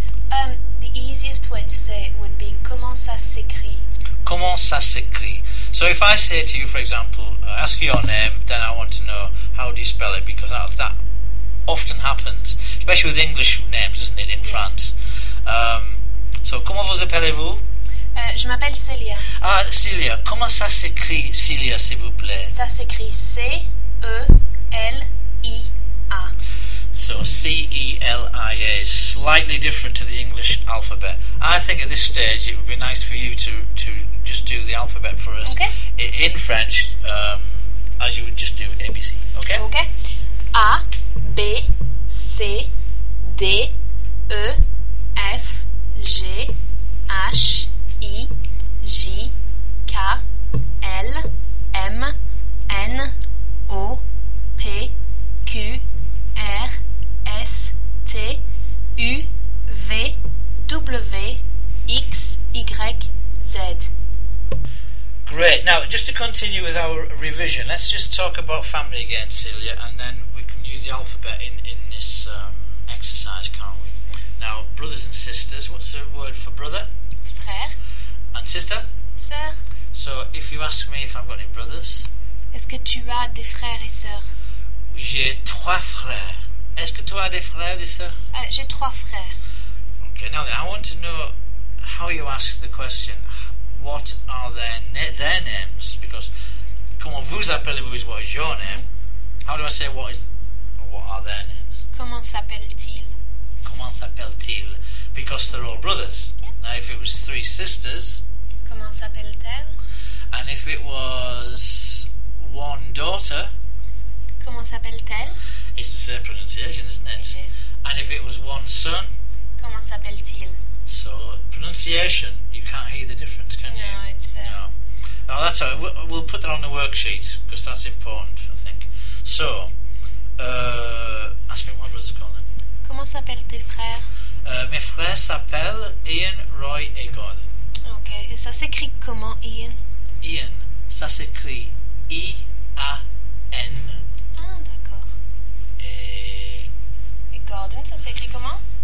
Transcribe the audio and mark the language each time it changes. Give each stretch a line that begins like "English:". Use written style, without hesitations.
English: The easiest way to say it would be,
French: comment ça s'écrit? Comment ça s'écrit?
English: So if I say to you, for example, ask you your name, then I want to know how do you spell it, because that often happens, especially with English names, isn't it, in France.
French: So, comment vous appelez-vous? Je m'appelle Célia. Ah, Célia. Comment ça s'écrit, Célia, s'il vous plaît? Ça s'écrit C-E-L-I-A.
English: So, C-E-L-I-A is slightly different to the English alphabet. I think at this stage it would be nice for you to just do the alphabet for us. Okay. In French, as you would just do ABC. Okay?
French: Okay. A, B, C, D, E, F, G, H, I, J, K, L, M, N, O, P, Q, R, S, T, U, V, W, X, Y, Z.
English: Great. Now, just to continue with our revision, let's just talk about family again, Celia, and then we can use the alphabet in this exercise, can't we? Now, brothers and sisters, what's the word for brother?
French: Frère.
English: And sister?
French: Sœur.
English: So, if you ask me if I've got any brothers?
French: Est-ce que tu as des frères et sœurs? J'ai trois frères. Est-ce que tu as des frères et sœurs? J'ai trois frères.
English: Okay, now then, I want to know how you ask the question, what are their names? Because,
French: comment vous appelez-vous
English: is what is your name. How do I say what are their names?
French: Comment s'appelle-t-il? Comment s'appelle-t-il?
English: Because they're all brothers. Yeah. Now, if it was three sisters.
French: Comment s'appelle-t-elle?
English: And if it was one daughter.
French: Comment s'appelle-t-elle?
English: It's the same pronunciation, isn't it? It is. And if it was one son? Comment s'appelle-t-il? So, pronunciation, you can't hear the difference, can you? No, it's... No. Oh, that's all right. We'll put that on the worksheet, because that's important, I think. So, ask me what my brother's calling.
French: Comment s'appellent tes frères? Mes frères s'appellent Ian, Roy et Gordon. Ok, et ça s'écrit comment, Ian? Ian, ça s'écrit I-A-N. Ah, d'accord. Et Gordon, ça s'écrit comment?